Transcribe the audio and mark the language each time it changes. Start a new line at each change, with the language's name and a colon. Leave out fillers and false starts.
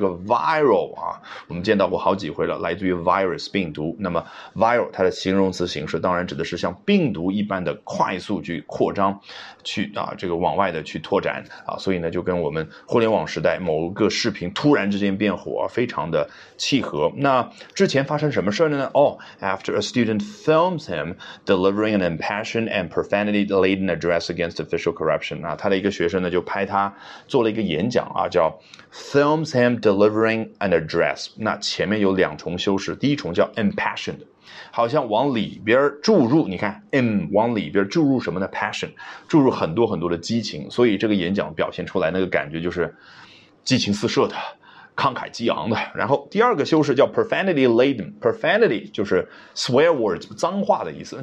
Chinese: 这个 viral 啊，我们见到过好几回了，来自于 virus 病毒。那么 viral 它的形容词形式当然指的是像病毒一般的快速去扩张，去啊这个往外的去拓展啊，所以呢就跟我们互联网时代某个视频突然之间变火非常的契合。那之前发生什么事呢？
English: After a student films him delivering an impassioned and profanity laden address against official corruption，
Chinese: 啊，他的一个学生呢就拍他做了一个演讲啊，叫
English: films him delivering an address。
Chinese: 那前面有两重修饰，第一重叫 impassioned。好像往里边注入，你看 ，in 往里边注入什么呢 ？passion， 注入很多很多的激情，所以这个演讲表现出来那个感觉就是激情四射的，慷慨激昂的。然后第二个修饰叫
English: profanity laden，
Chinese: profanity 就是
English: swear words，
Chinese: 脏话的意思。